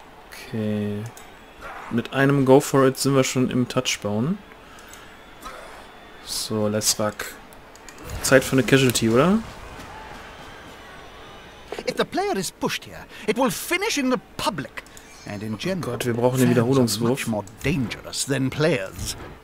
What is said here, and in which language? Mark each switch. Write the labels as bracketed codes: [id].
[de] Okay. Mit einem Go for it sind wir schon im Touchdown. So, [en] let's rock. [de] Zeit für eine Casualty, oder? [en] If the player is pushed here, it will finish in the public. And in general, [de] oh Gott, wir brauchen den Wiederholungswurf. [en] Much more dangerous than players.